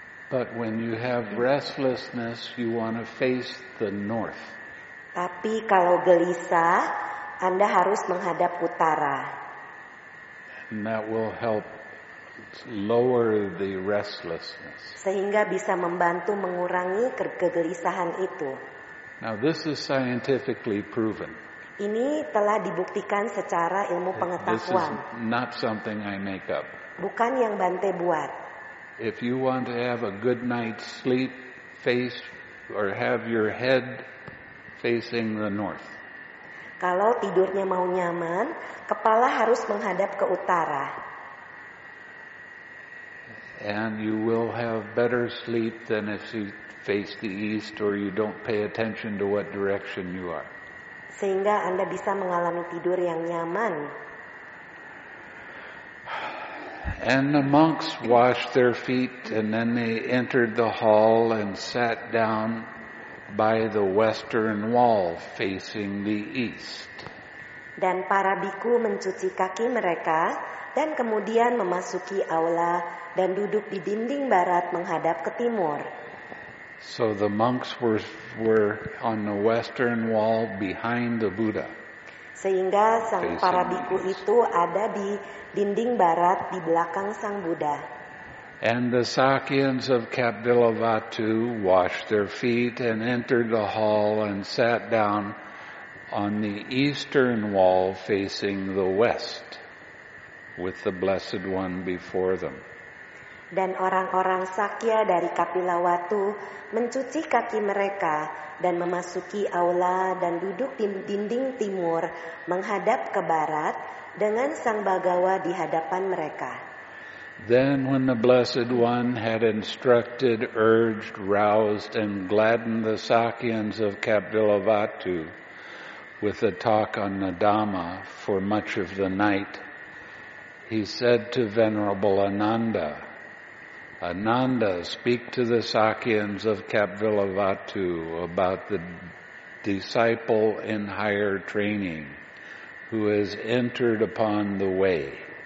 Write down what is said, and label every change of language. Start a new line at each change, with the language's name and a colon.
English: But when you have restlessness, you want to face the north.
Indonesian: Tapi kalau gelisah, Anda harus menghadap utara.
English: And that will help lower the restlessness.
Indonesian: Sehingga bisa membantu mengurangi kegelisahan itu.
English: Now this is scientifically proven.
Indonesian: Ini telah dibuktikan secara ilmu pengetahuan.
English: This is not something I make up.
Indonesian: Bukan yang Bante buat.
English: If you want to have a good night's sleep, face or have your head facing the north.
Indonesian: Kalau tidurnya mau nyaman, kepala harus menghadap ke utara.
English: And you will have better sleep than if you face the east or you don't pay attention to what direction you are.
Indonesian: Sehingga Anda bisa mengalami tidur yang nyaman.
English: And the monks washed their feet and then they entered the hall and sat down by the western wall facing the east.
Indonesian: Dan para bhikkhu mencuci kaki mereka dan kemudian memasuki aula dan duduk di dinding barat menghadap ke timur.
English: So the monks were on the western wall behind the Buddha.
Indonesian: Sehingga sang para bhikkhu itu ada di dinding barat di belakang Sang Buddha.
English: And the Sakyans of Kapilavatthu washed their feet and entered the hall and sat down on the eastern wall facing the west with the Blessed One before them.
Indonesian: Dan orang-orang Sakya dari Kapilavatthu mencuci kaki mereka dan memasuki aula dan duduk di dinding timur menghadap ke barat dengan Sang Bhagawa di hadapan mereka.
English: Then when the Blessed One had instructed, urged, roused, and gladdened the Sakyans of Kapilavatthu with a talk on the Dhamma for much of the night, he said to Venerable Ananda, Ananda, speak to the Sakyans of Kapilavatthu about the disciple in higher training who has entered upon the way.